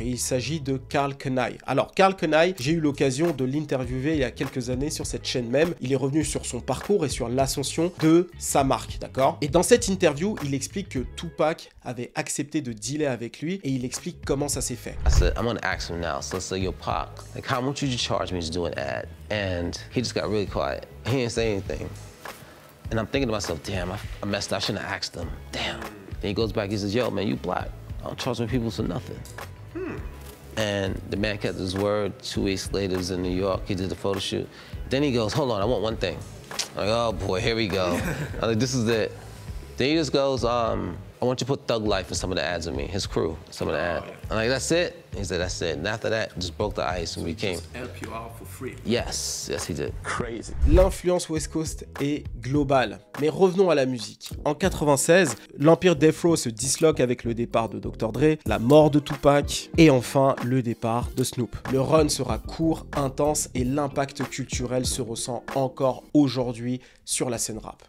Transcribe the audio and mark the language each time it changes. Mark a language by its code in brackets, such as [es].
[fr] Et il s'agit de Karl Kenai. Alors, Karl Kenai, j'ai eu l'occasion de l'interviewer il y a quelques années sur cette chaîne même. Il est revenu sur son parcours et sur l'ascension de sa marque, d'accord? Et dans cette interview, il explique que Tupac avait accepté de dealer avec lui et il explique comment ça s'est fait. [en] I said, I'm gonna ask him now. So let's say, yo, Pac, like, how much would you charge me to do an ad? And he just got really quiet. He didn't say anything. And I'm thinking to myself, damn, I messed up. I shouldn't have asked him. Damn. Then he goes back, he says, yo, man, you black. I don't charge my people for nothing. And the man kept his word. 2 weeks later, he's in New York. He did the photo shoot. Then he goes, hold on, I want one thing. I'm like, oh boy, here we go. I'm like, this is it. Then he just goes, I want you to put Thug Life in some of the ads of me, his crew, some of the ads. I'm like, that's it? He said, that's it. And after that, just broke the ice and we came. Just help you out for free. Yes, yes, he did. Crazy. [fr] L'influence West Coast est globale. Mais revenons à la musique. En 96, l'empire Death Row se disloque avec le départ de Dr. Dre, la mort de Tupac et enfin le départ de Snoop. Le run sera court, intense et l'impact culturel se ressent encore aujourd'hui sur la scène rap.